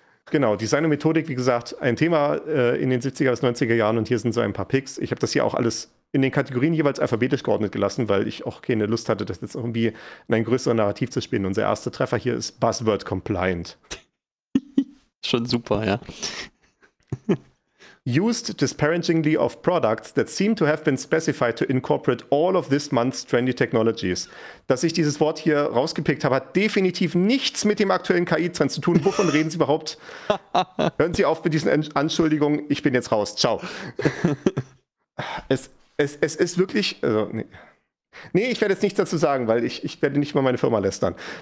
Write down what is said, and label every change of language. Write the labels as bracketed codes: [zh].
[de] Genau, Design und Methodik, wie gesagt, ein Thema in den 70er bis 90er Jahren und hier sind so ein paar Picks. Ich habe das hier auch alles in den Kategorien jeweils alphabetisch geordnet gelassen, weil ich auch keine Lust hatte, das jetzt irgendwie in ein größeres Narrativ zu spinnen. Unser erster Treffer hier ist Buzzword Compliant. Schon super, ja. [en] Used disparagingly of products that seem to have been specified to incorporate all of this month's trendy technologies. [de] Dass ich dieses Wort hier rausgepickt habe, hat definitiv nichts mit dem aktuellen KI-Trend zu tun. Wovon reden Sie überhaupt? Hören Sie auf mit diesen Anschuldigungen. Ich bin jetzt raus. Ciao. Es ist wirklich... Nee, ich werde jetzt nichts dazu sagen, weil ich werde nicht mal meine Firma lästern.